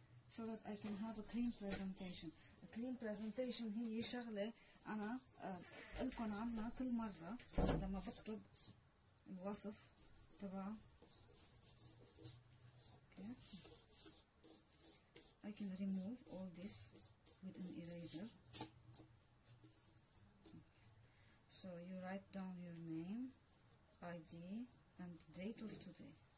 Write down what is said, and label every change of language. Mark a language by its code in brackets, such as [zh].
[en] So that I can have a clean presentation. A clean presentation [ar] هي شغلة أنا ألكن عنها كل مرة لما بكتب الوصف تبع. [en] Okay. I can remove all this with an eraser. Okay. So you write down your name, ID, and date of today.